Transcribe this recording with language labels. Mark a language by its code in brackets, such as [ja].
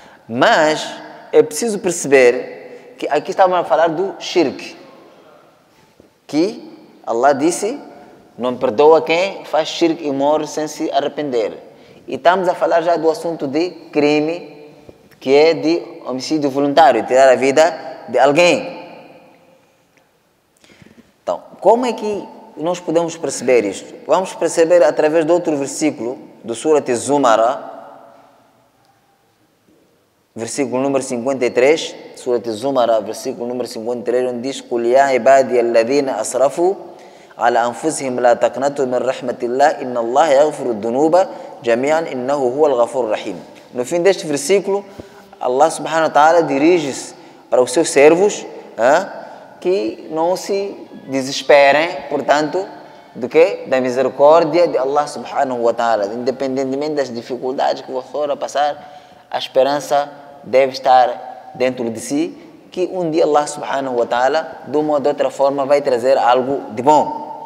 [pt] Mas é preciso perceber que aqui estamos a falar do shirk, que Allah disse, não perdoa quem faz shirk e morre sem se arrepender. E estamos a falar já do assunto de crime, que é de homicídio voluntário, tirar a vida de alguém. Então, como é que nós podemos perceber isto? Vamos perceber através de outro versículo, do Surat Zumara, versículo número 53, Surat Zumara, versículo número 53, onde diz: [ar] قُلْ يَا عِبَادِيَ الَّذِينَ أَسْرَفُوا عَلَىٰ أَنفُسِهِمْ لَا تَقْنَطُوا مِن رَّحْمَةِ اللَّهِ إِنَّ اللَّهَ يَغْفِرُ الذُّنُوبَ جَمِيعًا إِنَّهُ هُوَ الْغَفُورُ الرَّحِيمُ. [pt] No fim deste versículo, Allah subhanahu wa ta'ala dirige-se para os seus servos, que não se desesperem, portanto, do que? Da misericórdia de Allah subhanahu wa ta'ala. Independentemente das dificuldades que você for a passar, a esperança deve estar dentro de si, que um dia Allah subhanahu wa ta'ala, de uma ou de outra forma, vai trazer algo de bom.